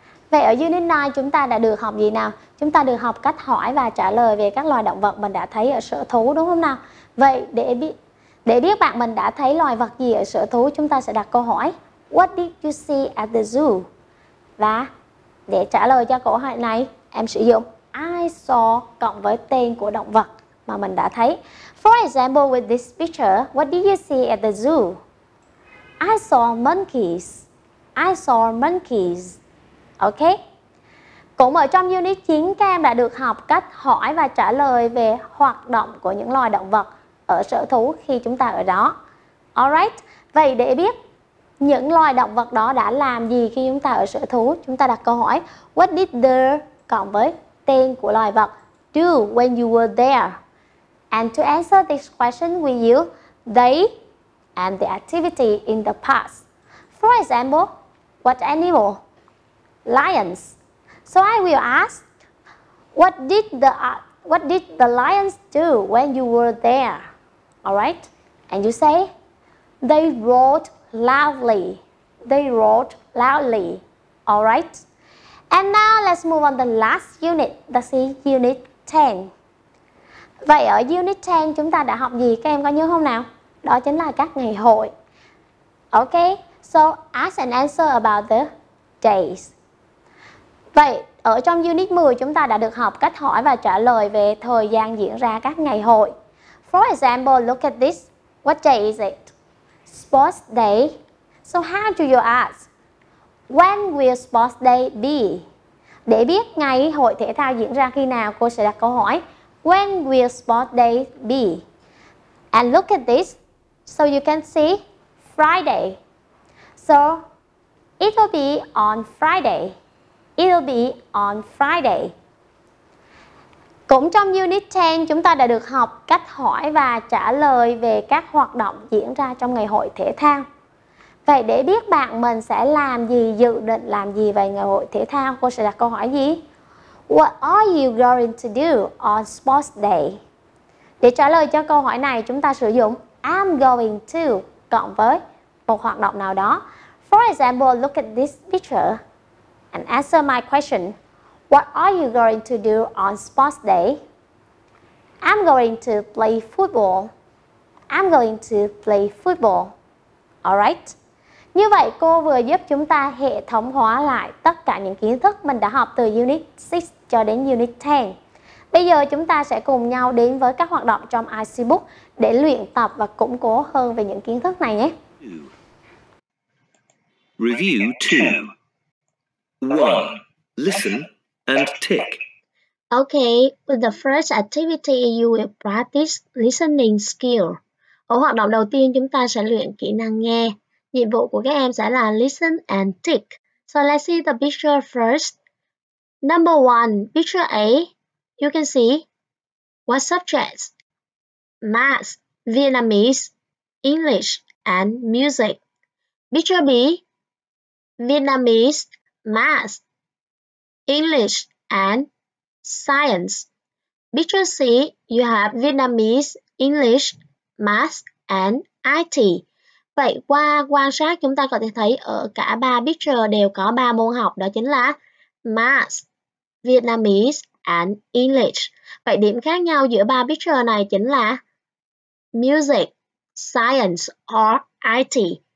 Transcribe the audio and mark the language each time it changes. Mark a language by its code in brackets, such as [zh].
[vi] Vậy ở unit 9 chúng ta đã được học gì nào? Chúng ta được học cách hỏi và trả lời về các loài động vật mình đã thấy ở sở thú, đúng không nào? Vậy để biết bạn mình đã thấy loài vật gì ở sở thú, chúng ta sẽ đặt câu hỏi. [en] What did you see at the zoo? [vi] Và để trả lời cho câu hỏi này, em sử dụng [en] I saw [vi] cộng với tên của động vật mà mình đã thấy. [en] For example, with this picture, what did you see at the zoo? I saw monkeys. I saw monkeys. Okay? [vi] Cũng ở trong unit 9, các em đã được học cách hỏi và trả lời về hoạt động của những loài động vật ở sở thú khi chúng ta ở đó. Alright? Vậy để biết những loài động vật đó đã làm gì khi chúng ta ở sở thú, chúng ta đặt câu hỏi [en] What did the [vi] cộng với tên của loài vật [en] do when you were there? And to answer this question, we use they and the activity in the past. For example, what animal? Lions. So I will ask, what did the lions do when you were there? All right? And you say, they roared loudly. They roared loudly. All right? And now let's move on to the last unit. That's unit 10. [vi] Vậy ở unit 10 chúng ta đã học gì? Các em có nhớ không nào? Đó chính là các ngày hội. [en] Okay, so ask and answer about the days. [vi] Vậy ở trong unit 10 chúng ta đã được học cách hỏi và trả lời về thời gian diễn ra các ngày hội. [en] For example, look at this. What day is it? Sports day. So how do you ask? When will sports day be? [vi] Để biết ngày hội thể thao diễn ra khi nào, cô sẽ đặt câu hỏi. [en] When will sports day be? And look at this. So you can see Friday. So it will be on Friday. It will be on Friday. [vi] Cũng trong unit 10, chúng ta đã được học cách hỏi và trả lời về các hoạt động diễn ra trong ngày hội thể thao. Vậy để biết bạn mình sẽ làm gì, dự định làm gì về ngày hội thể thao, cô sẽ đặt câu hỏi gì? [en] What are you going to do on sports day? [vi] Để trả lời cho câu hỏi này, chúng ta sử dụng [en] I'm going to [vi] cộng với một hoạt động nào đó. [en] For example, look at this picture and answer my question. What are you going to do on sports day? I'm going to play football. I'm going to play football. Alright? [vi] Như vậy, cô vừa giúp chúng ta hệ thống hóa lại tất cả những kiến thức mình đã học từ Unit 6 cho đến Unit 10. Bây giờ chúng ta sẽ cùng nhau đến với các hoạt động trong IC Book để luyện tập và củng cố hơn về những kiến thức này nhé. [en] Review 2. 1. Listen and tick. Okay, with the first activity, you will practice listening skill. [vi] Ở hoạt động đầu tiên, chúng ta sẽ luyện kỹ năng nghe. Nhiệm vụ của các em sẽ là [en] listen and tick. So let's see the picture first. Number one, picture A, you can see what subjects? Math, Vietnamese, English, and music. Picture B, Vietnamese, math, English, and science. Picture C, you have Vietnamese, English, math, and IT. [vi] Vậy qua quan sát chúng ta có thể thấy ở cả ba picture đều có ba môn học, đó chính là Math, Vietnamese and English. Vậy điểm khác nhau giữa ba picture này chính là Music, Science or IT.